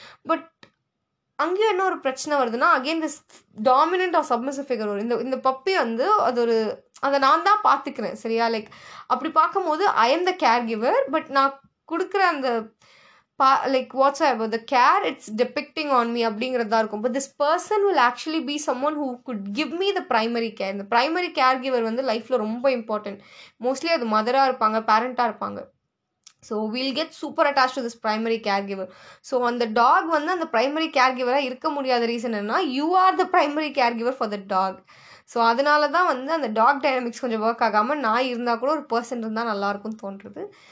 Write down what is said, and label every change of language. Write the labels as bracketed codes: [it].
[en] but [ta] அங்கேயும் என்ன ஒரு பிரச்சனை வருதுன்னா, [en] Again this dominant of submissive figure வரும். [ta] இந்த பப்பி வந்து அது ஒரு அதை நான் தான் பார்த்துக்கிறேன் சரியா. [en] like [ta] அப்படி பார்க்கும்போது [en] I am the caregiver, but [ta] நான் கொடுக்குற அந்த [en] like what's up the care it's depicting on me [ta] அப்படிங்கறத இருக்கும். [en] but this person will actually be someone who could give me the primary care. the primary caregiver [ta] வந்து லைஃப்ல ரொம்ப important, mostly அது மதரா இருப்பாங்க, பேரண்டா இருப்பாங்க. [en] So we'll get super attach to this primary caregiver. So [ta] அந்த talk வந்து அந்த [en] primary care கிவராக [ta] இருக்க முடியாத [en] Reason என்ன, you are the primary caregiver for the dog. [ta] So அதனால தான் வந்து அந்த டாக் டைனமிக்ஸ் கொஞ்சம் ஒர்க் ஆகாமல் நான் இருந்தால் கூட ஒரு பர்சன் இருந்தால் நல்லாயிருக்கும்னு தோன்றுறது.